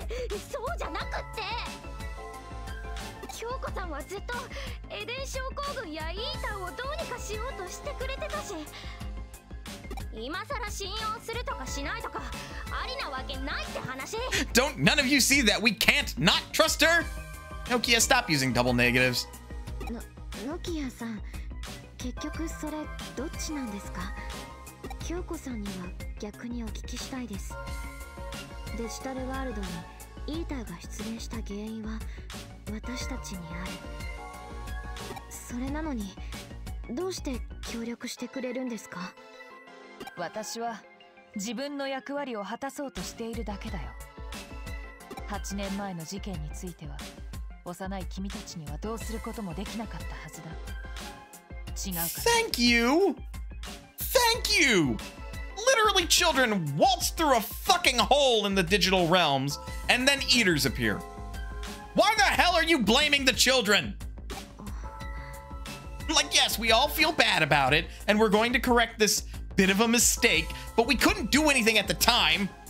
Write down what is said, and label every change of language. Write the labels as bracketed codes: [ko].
[ja] そうじゃなくって、京子さんはずっとエデン症候群やイーターをどうにかしようとしてくれてたし、今さら信用するとかしないとかありなわけないって話。 [en] Don't none of you see that we can't not trust her? Nokia, stop using double negatives. [ja] Nokia さん、結局それどっちなんですか？京子さんには逆にお聞きしたいです。デジタルワールドにイーターが出現した原因は私たちにある。それなのにどうして協力してくれるんですか？私は自分の役割を果たそうとしているだけだよ。 8年前の事件については幼い君たちにはどうすることもできなかったはずだ。違うか。 [en] Thank you! Thank you! Literally children waltz through a fucking hole in the digital realms and then eaters appear. Why the hell are you blaming the children? Like, yes, we all feel bad about it and we're going to correct this bit of a mistake, but we couldn't do anything at the time.